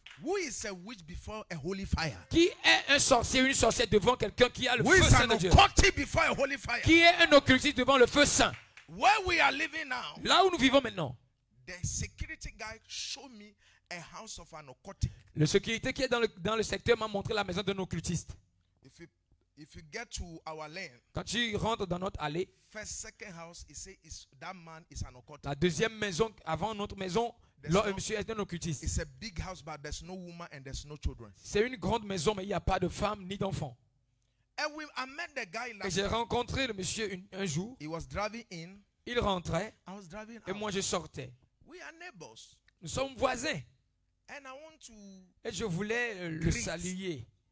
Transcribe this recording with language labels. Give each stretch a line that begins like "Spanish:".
English: Who is a witch before a holy fire?
French: Qui est un sorcier, une sorcière devant quelqu'un qui a le
English: Who
French: feu
English: is
French: saint
English: an
French: de
English: occulte
French: Dieu?
English: Before a holy fire?
French: Qui est un occultiste devant le feu saint?
English: Where we are living now,
French: là où nous vivons maintenant.
English: The security guy showed me a house of an occultist.
French: Le sécurité qui est dans le secteur m'a montré la maison d'un occultiste.
English: If you get to our lane,
French: quand tu rentres dans notre allée,
English: first, second house, he say is that man is an occultist.
French: La deuxième maison avant notre maison, l'homme monsieur est un occultiste.
English: It's a big house, but there's no woman and there's no children.
French: C'est une grande maison, mais il y a pas de femme ni d'enfants.
English: And I met the guy last.
French: Et j'ai rencontré le monsieur un jour.
English: He was driving in.
French: Il rentrait.
English: I was driving.
French: Et moi je sortais.
English: We are neighbors.
French: Nous sommes voisins.
English: And I want to.
French: Et je voulais le saluer.